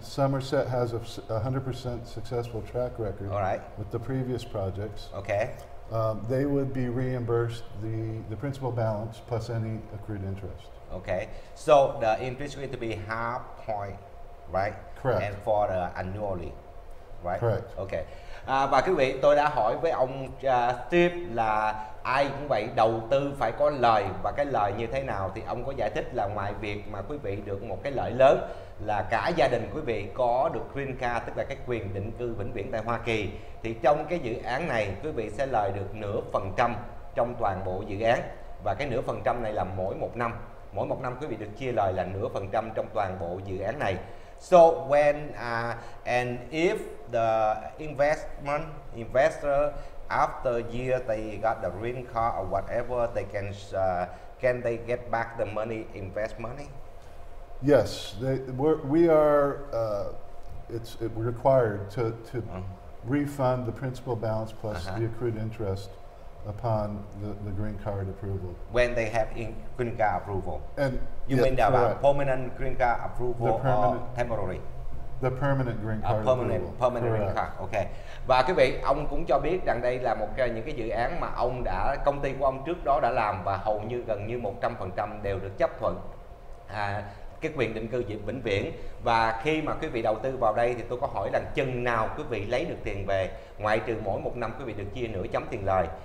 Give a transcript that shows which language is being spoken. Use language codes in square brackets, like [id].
[en] Somerset has a 100% successful track record. All right. With the previous projects. Okay. They would be reimbursed the principal balance plus any accrued interest. Okay. So the interest is going to be 0.5%, right? Correct. And for the annually, right? Correct. Okay. [vi] Và quý vị, tôi đã hỏi với ông Steve là ai cũng vậy, đầu tư phải có lời, và cái lời như thế nào, thì ông có giải thích là ngoài việc mà quý vị được một cái lợi lớn là cả gia đình quý vị có được green card, tức là cái quyền định cư vĩnh viễn tại Hoa Kỳ, thì trong cái dự án này quý vị sẽ lời được 0.5% trong toàn bộ dự án, và cái 0.5% này là mỗi một năm quý vị được chia lời là 0.5% trong toàn bộ dự án này. [en] So when and if the investor after year they got the green card or whatever, they can they get back the money, invest money? Yes, we're required to uh-huh. refund the principal balance plus uh-huh. the accrued interest upon the green card approval. When they have green card approval. And you mean the permanent green card approval or temporary? The permanent green card approval. Permanent green card, okay. [vi] Và quý vị, ông cũng cho biết rằng đây là một cái, những cái dự án mà ông đã, công ty của ông trước đó đã làm và hầu như gần như 100% đều được chấp thuận cái quyền định cư vĩnh viễn. Và khi mà quý vị đầu tư vào đây thì tôi có hỏi là chừng nào quý vị lấy được tiền về, ngoại trừ mỗi một năm quý vị được chia nửa chấm tiền lời.